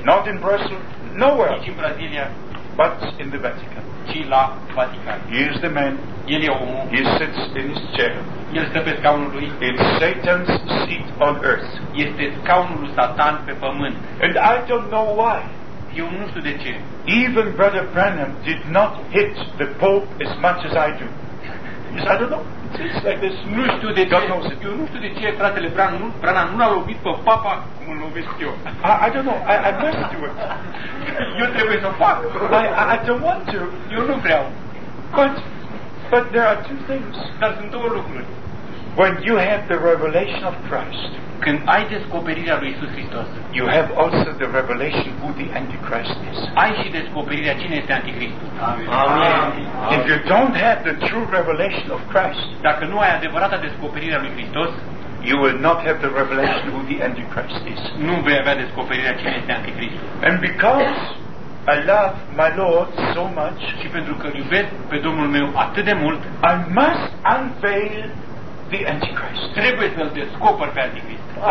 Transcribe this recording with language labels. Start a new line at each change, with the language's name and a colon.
English: Not in Brussels. Nowhere.
Romanian: Nici în Brazilia.
English: but in the Vatican.
Romanian: Ci la Vatican.
English: He is the man.
Romanian: El e omul.
English: He sits in his chair.
Romanian: El stă pe scaunul lui.
English: It's Satan's seat on earth.
Romanian: Este scaunul lui Satan pe pământ.
English: And I don't know why.
Romanian: Eu nu știu de ce.
English: Even Brother Branham did not hit the Pope as much as I do. I don't know. It's like this.
Romanian: Nu știu de ce, fratele Branham, nu l-a lovit pe Papa cum l-a lovit
English: eu. I don't know. I must do it.
Romanian: Eu trebuie să fac.
English: I don't want to.
Romanian: Eu nu vreau.
English: But there are two things.
Romanian: Dar sunt două lucruri.
English: When you have the revelation of Christ,
Romanian: când ai descoperirea lui Iisus Hristos,
English: you have also the revelation who the Antichrist is.
Romanian: Ai și descoperirea cine este Antichristul.
English: Amen. Amen. If you don't have the true revelation of Christ,
Romanian: dacă nu ai adevărata descoperirea lui Hristos,
English: you will not have the revelation who the Antichrist is.
Romanian: Nu vei avea descoperirea cine este Antichristul.
English: And because I love my Lord so much,
Romanian: și pentru că iubesc pe Domnul meu atât de mult,
English: I must unveil the Antichrist.
Romanian: Trebuie să-l descoper pe Antichrist.